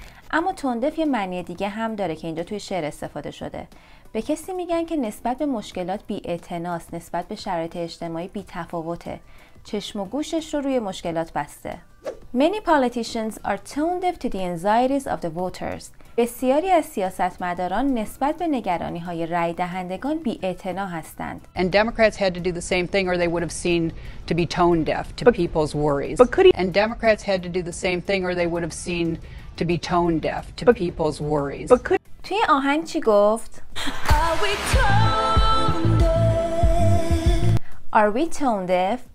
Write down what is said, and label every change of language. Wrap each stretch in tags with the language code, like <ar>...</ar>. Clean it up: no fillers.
<fa>اما توندف یه معنی دیگه هم داره که اینجا توی شعر استفاده شده. به کسی میگن که نسبت به مشکلات بی‌اعتناست، نسبت به شرایط اجتماعی بی‌تفاوته، چشم و گوشش رو روی مشکلات بسته.</fa> <en>Many politicians are tone deaf to the anxieties of the voters.</en> <fa>بسیاری از سیاستمداران نسبت به نگرانی‌های رأی دهندگان بی‌اعتنا هستند.</fa> <en>And Democrats had to do the same thing or they would have seemed to be tone deaf to people's worries. And Democrats had to do the same thing or they would have seemed to be tone deaf to people's worries.</en> <fa>توی آهنگ چی گفت؟</fa> <en>Are we tone deaf?</en>